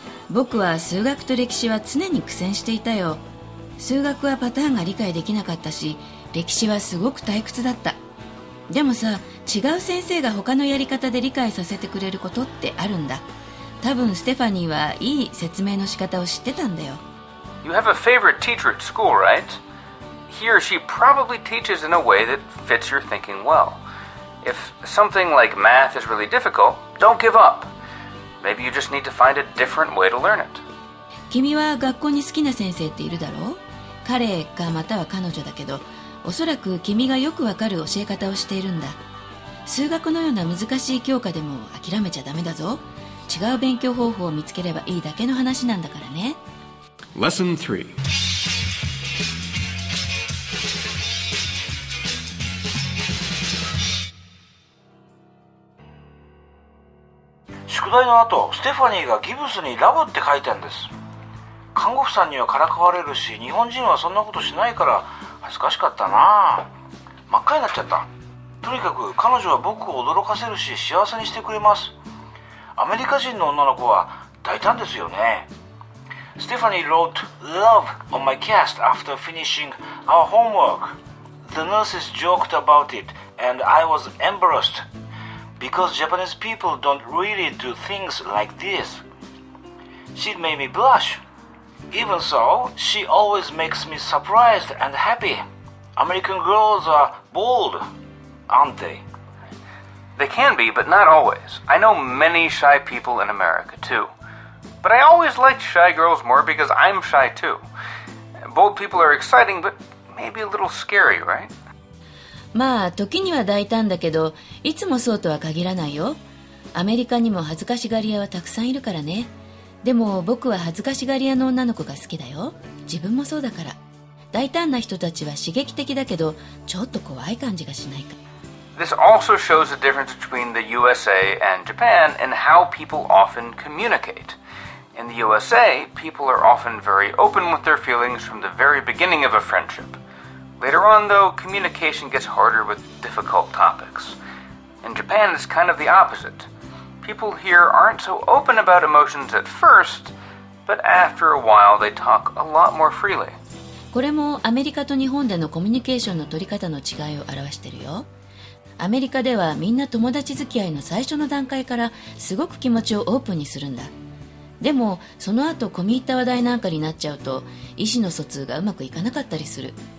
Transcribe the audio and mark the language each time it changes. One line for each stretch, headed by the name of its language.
Japanese: 僕は数学と歴史は常に苦戦していたよ。数学はパターンが理解できなかったし、歴史はすごく退屈だった。でもさ、違う先生が他のやり方で理解させてくれることってあるんだ。多分ステファニーはいい説明の仕方を知ってたんだよ。
English: You have a favorite teacher at school, right? He or she probably teaches in a way that fits your thinking well. If something like math is really difficult, don't give up. Maybe you just need to find a different way to learn it.
Japanese: 君は学校に好きな先生っているだろう？彼かまたは彼女だけど、おそらく君がよくわかる教え方をしているんだ。数学のような難しい教科でも諦めちゃダメだぞ。違う勉強方法を見つければいいだけの話なんだからね。
English: Lesson
Japanese: 3。宿題の後、ステファニーがギブスにラブって書いてあるんです。看護婦さんにはからかわれるし、日本人はそんなことしないから恥ずかしかったな。真っ赤になっちゃった。とにかく彼女は僕を驚かせるし、幸せにしてくれます。アメリカ人の女の子は大胆ですよね。
English: Stephanie wrote love on my chest after finishing our homework. The nurses joked about it and I was embarrassed because Japanese people don't really do things like this. She made me blush. Even so, she always makes me surprised and happy. American girls are bold, aren't they? They can be, but not always. I know many shy people in America, too. But I always liked shy girls more because I'm shy, too. Bold people are exciting, but maybe a little scary, right?
Japanese: まあ、時には大胆だけど、いつもそうとは限らないよ。アメリカにも恥ずかしがり屋はたくさんいるからね。でも僕は恥ずかしがり屋の女の子が好きだよ。自分もそうだから。大胆な人たちは刺激的だけど、ちょっと怖い感じがしないか。
English: This also shows the difference between the USA and Japan in how people often communicate. In the USA, people are often very open with their feelings from the very beginning of a friendship. Later on, though, communication gets harder with difficult topics. In Japan, it's kind of the opposite. People here aren't so open about emotions at first, but after a while, they talk a lot more freely.
Japanese: これもアメリカと日本でのコミュニケーションの取り方の違いを表してるよ。アメリカではみんな友達付き合いの最初の段階からすごく気持ちをオープンにするんだ。でもその後込み入った話題なんかになっちゃうと意思の疎通がうまくいかなかったりする。